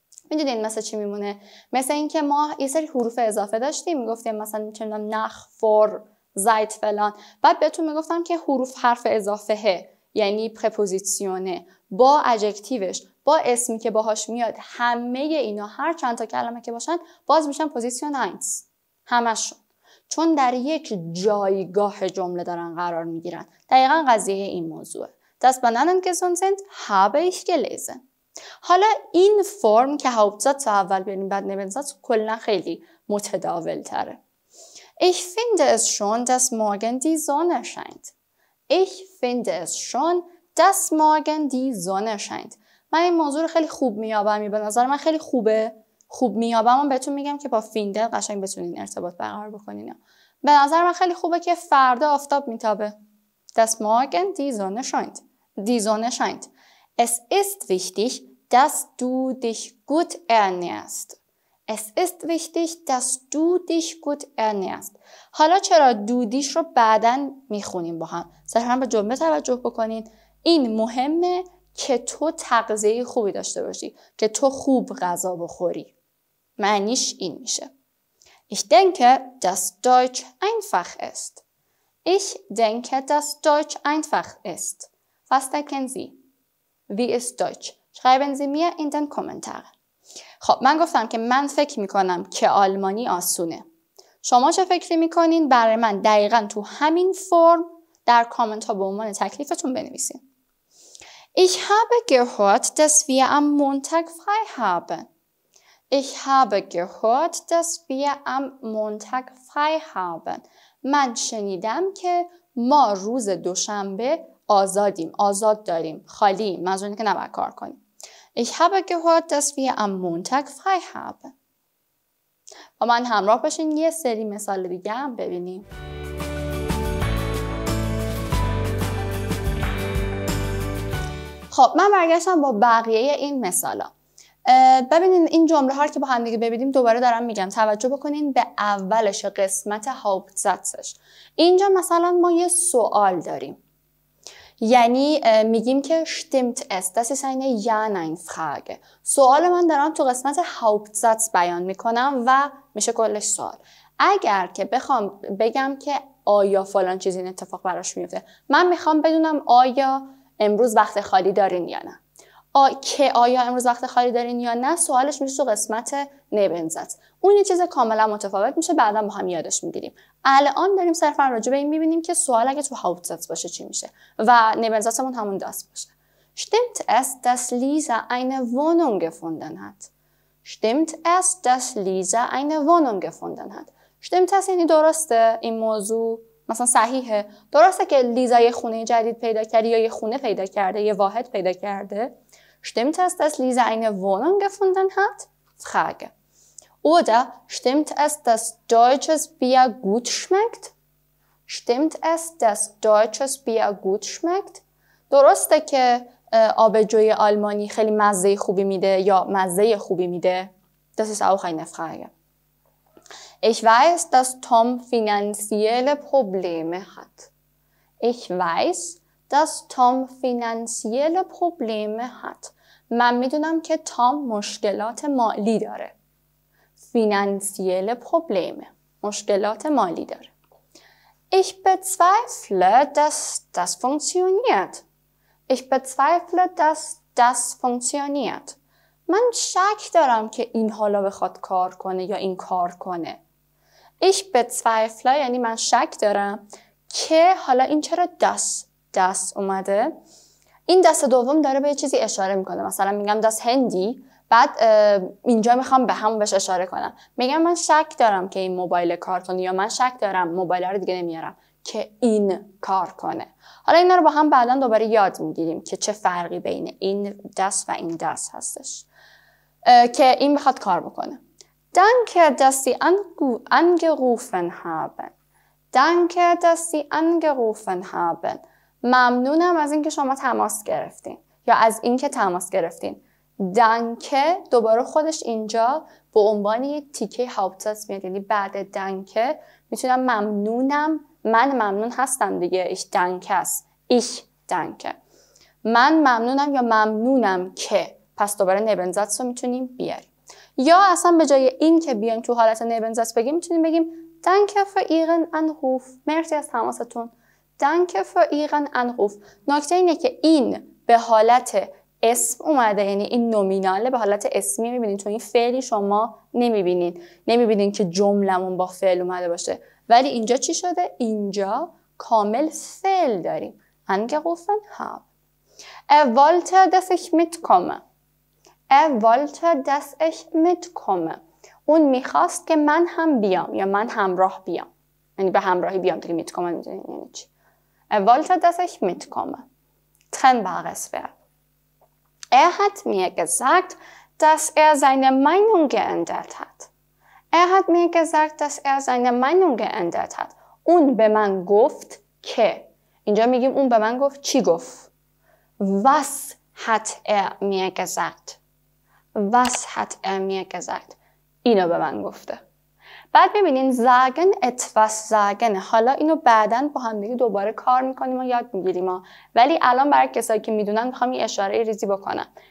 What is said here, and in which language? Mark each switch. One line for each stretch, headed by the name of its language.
Persian: میدونین مثلا چی میمونه؟ مثلا اینکه ما یه سری حروف اضافه داشتیم، میگفتیم مثلا چندان نخ، فور، زیت فلان، بعد بهتون میگفتم که حروف حرف اضافه یعنی پرپوزیسیونه با اجکتیوش، با اسمی که باهاش میاد، همه اینا هر چند تا کلمه که باشن باز میشن پوزیسیون 1 همشون، چون در یک جایگاه جمله دارن قرار میگیرن. دقیقا قضیه این موضوعه.
German: Das Bananen gesund sind habe ich gelesen.
Persian: حالا این فرم که هاوپتزاتس اول بیاریم بعد Nebensatz کلا خیلی متداول تره.
German: Ich finde es schon, dass morgen die Sonne scheint. Ich finde es schon, dass morgen die Sonne scheint.
Persian: من این موضوع رو خیلی خوب میابم. به نظر من خیلی خوبه. خوب میابم و بهتون میگم که با فینده قشنگ بتونین ارتباط برقرار بکنین. به نظر من خیلی خوبه که فردا آفتاب میتابه.
German: Das morgen die Sonne scheint. Die Sonne scheint. Es ist wichtig, dass du dich gut ernährst. Es ist wichtig, dass du dich gut ernährst.
Persian: حالا چرا دودیش رو بعداً میخونیم با هم؟ صرفا به جمله توجه بکنین. این مهمه که تو تغذیه خوبی داشته باشی، که تو خوب غذا بخوری. معنیش این میشه.
German: Ich denke, dass Deutsch einfach ist. Ich denke, dass Deutsch einfach ist. Was denken Sie? Wie ist Deutsch? Schreiben Sie mir in den Kommentaren.
Persian: خب من گفتم که من فکر میکنم که آلمانی آسونه. شما چه فکر میکنین؟ برای من دقیقا تو همین فرم در کامنت ها به عنوان تکلیفتون بنویسین.
German: Ich habe gehört, dass wir am Montag frei haben. Ich habe gehört, dass wir am Montag frei haben.
Persian: من شنیدم که ما روز دوشنبه آزادیم، آزاد داریم، خالیم، منظور اینه که نباید کار کنیم.
German: Ich habe gehört, dass wir am Montag frei haben.
Persian: با من همراه باشین یه سری مثال دیگه هم ببینیم. خب من برگشتم با بقیه این مثالا. ببینین این جمله ها رو که با هم دیگه ببینیم، دوباره دارم میگم توجه بکنین به اولش، قسمت هاوبتزاتسش. اینجا مثلا ما یه سوال داریم، یعنی میگیم که
German: stimmt es، das ist eine ja nein frage.
Persian: سوال من دارم تو قسمت هاوبتزاتس بیان میکنم و میشه کلش سوال. اگر که بخوام بگم که آیا فلان چیز این اتفاق براش میفته، من میخوام بدونم آیا امروز وقت خالی دارین یا نه. که آیا امروز وقت خالی دارین یا نه، سوالش میشه تو قسمت نبنزت. اون یه چیز کاملا متفاوت میشه، بعدا با هم یادش میگیریم. الان داریم صرفا راجع به این میبینیم که سوال اگه تو هاوبتزاتس باشه چی میشه و نبنزتمون همون دست باشه.
German: Stimmt es, dass Lisa eine Wohnung gefunden hat? Stimmt es, dass Lisa eine Wohnung gefunden hat? Stimmt es,
Persian: یعنی درسته این موضوع؟ مثلا صحیحه؟ درسته که لیزا یه خونه جدید پیدا کرده، یا یه خونه پیدا کرده، یه واحد پیدا کرده؟
German: Stimmt es, dass Lisa eine Wohnung gefunden hat? Frage. Oder stimmt es, dass deutsches Bier gut schmeckt? Stimmt es, dass deutsches Bier gut schmeckt?
Persian: درسته که آبجوی آلمانی خیلی مزه خوبی میده یا مزه خوبی میده؟
German: Das ist auch eine Frage. Ich weiß, dass Tom finanzielle Probleme hat. Ich weiß, dass Tom finanzielle Probleme hat.
Persian: من میدونم که تام مشکلات مالی داره.
German: Finanzielle Probleme.
Persian: مشکلات مالی داره.
German: Ich bezweifle, dass das funktioniert. Ich bezweifle, dass das funktioniert.
Persian: من شک دارم که این حالا بخواد کار کنه یا این کار کنه.
German: Ich bezweifle,
Persian: یعنی من شک دارم که حالا این چرا das اومده؟ این دست دوم داره به یه چیزی اشاره میکنه. مثلا میگم دست هندی، بعد اینجا میخوام به همون بهش اشاره کنم. میگم من شک دارم که این موبایل کار کنه، یا من شک دارم موبایل رو دیگه نمیارم که این کار کنه. حالا اینا رو با هم بعدا دوباره یاد میگیریم که چه فرقی بین این دست و این دست هستش که این بخواد کار بکنه.
German: Danke, dass Sie angerufen haben. Danke, dass Sie angerufen haben.
Persian: ممنونم از اینکه شما تماس گرفتین، یا از اینکه تماس گرفتین. دانکه دوباره خودش اینجا به عنوان یه تیکه هاوبتزاتس میاد، یعنی بعد دانکه میتونم ممنونم، من ممنون هستم دیگه،
German: ایش دانکه.
Persian: من ممنونم یا ممنونم که، پس دوباره نبنزاتس رو میتونیم بیاریم. یا اصلا به جای اینکه بیایم تو حالت نبنزاتس بگیم، میتونیم بگیم
German: دانکه فور ایرن آنروف،
Persian: مرسی از تماستون.
German: Danke für Ihren Anruf.
Persian: نکته اینه که این به حالت اسم اومده، یعنی این نومیناله به حالت اسمی میبینین، چون این فعلی شما نمیبینین، نمیبینین که جملمون با فعل اومده باشه. ولی اینجا چی شده؟ اینجا کامل فعل داریم.
German: Angerufen habe. Er wollte, dass ich mitkomme. Er wollte, dass ich mitkomme.
Persian: اون میخواست که من هم بیام، یا من همراه بیام، یعنی به همراهی بیام. دیگه
German: mitkomme
Persian: میدونین یعنی چی؟
German: Er wollte, dass ich mitkomme. Trennbares Verb. Er hat mir gesagt, dass er seine Meinung geändert hat. Er hat mir gesagt, dass er seine Meinung geändert hat.
Persian: Un be man guft ke. اینجا میگیم اون به من گفت چی گفت.
German: Was hat er mir gesagt? Was hat er mir gesagt?
Persian: اینو به من گفته. بعد ببینین زاگن اتفاس زاگن. حالا اینو بعدن با هم دیگه دوباره کار میکنیم و یاد میگیریم، ولی الان برای کسایی که میدونن میخوام یه اشاره ریزی بکنم.